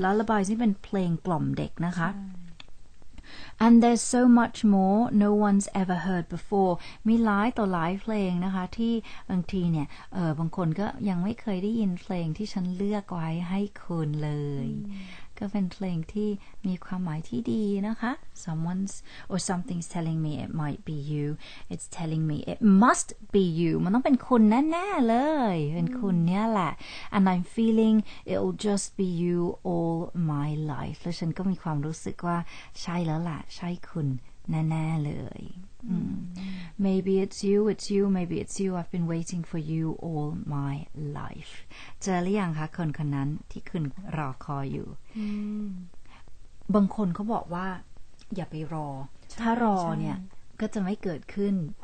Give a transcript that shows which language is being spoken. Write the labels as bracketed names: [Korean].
[English] Lullabies [Thai] นี่เป็นเพลงกล่อมเด็กนะคะ [English] And there's so much more no one's ever heard before. [Thai] มีหลายต่อหลายเพลงนะคะที่บางทีเนี่ยบางคนก็ยังไม่เคยได้ยินเพลงที่ฉันเลือกไว้ให้คุณเลย ก็เป็นเพลงที่มีความหมายที่ดีนะคะ [English] Someone's or something's telling me it might be you. It's telling me it must be you. [Thai] มันต้องเป็นคุณแน่ๆเลย เป็นคุณเนี่ยแหละ [English] And I'm feeling it'll just be you all my life. [Thai] แล้วฉันก็มีความรู้สึกว่าใช่แล้วล่ะใช่คุณแน่ๆเลย [English] Maybe it's you, maybe it's you. I've been waiting for you all my life. [Thai] เจอหรือยังคะคนคนนั้นที่คุณรอคอยอยู่บางคนเขาบอกว่าอย่าไปรอถ้ารอเนี่ยก็จะไม่เกิดขึ้น